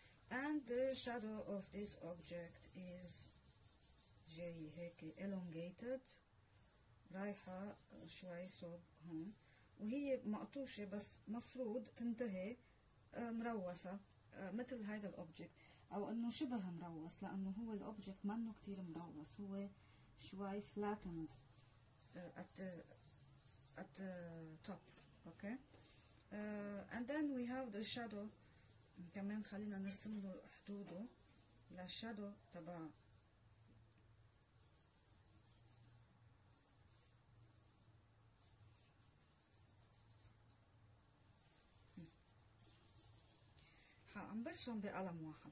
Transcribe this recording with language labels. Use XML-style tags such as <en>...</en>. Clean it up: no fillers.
<en>And the shadow of this object is</en> <ar>جاي هيك elongated، رايحة شوي صوب هون، وهي مقطوشة بس مفروض تنتهي مروسة مثل هيدا الأوبجيكت، أو إنه شبه مروس لأنه هو الأوبجيكت منه كتير مروس، هو شوي</ar> <en>flattened at the top. okay and then we have the shadow.</en> <ar>كمان خلينا نرسم له حدوده للشادو تبع عم برسم بقلم واحد.</ar>